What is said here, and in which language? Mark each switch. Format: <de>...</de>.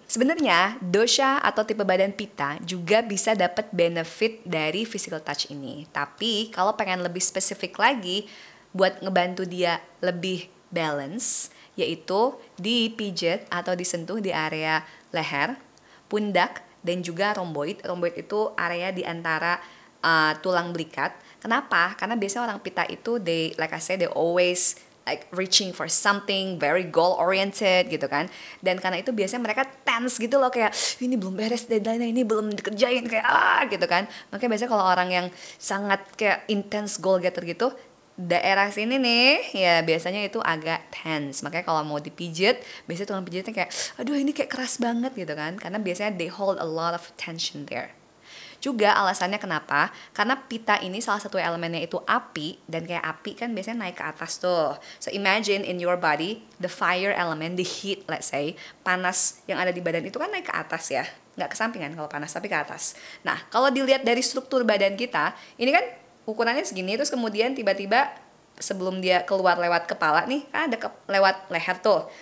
<id>Sebenarnya dosha atau tipe badan pitta juga bisa dapat benefit dari physical touch ini. Tapi kalau pengen lebih spesifik lagi, buat ngebantu dia lebih balance, yaitu dipijet atau disentuh di area leher, pundak, dan juga romboid. Romboid itu area di antara tulang belikat. Kenapa? Karena biasanya orang pita itu,</id> <en>they, like I said, they always like reaching for something, very goal-oriented</en> <id>gitu kan. Dan karena itu biasanya mereka tense gitu loh, kayak ini belum beres deadline-nya, ini belum dikerjain, kayak gitu kan. Makanya biasanya kalau orang yang sangat kayak intense goal-getter gitu, daerah sini nih, ya biasanya itu agak tense. Makanya kalau mau dipijit, biasanya tulang pijitnya kayak, aduh ini kayak keras banget gitu kan. Karena biasanya</id> <en>they hold a lot of tension there.</en> <id>Juga alasannya kenapa? Karena pita ini salah satu elemennya itu api, dan kayak api kan biasanya naik ke atas tuh.</id> <en>So imagine in your body, the fire element, the heat let's say,</en> <id>panas yang ada di badan itu kan naik ke atas ya. Nggak ke sampingan kalau panas, tapi ke atas. Nah, kalau dilihat dari struktur badan kita, ini kan ukurannya segini, terus kemudian tiba-tiba sebelum dia keluar lewat kepala nih, kan ada lewat leher tuh.</id>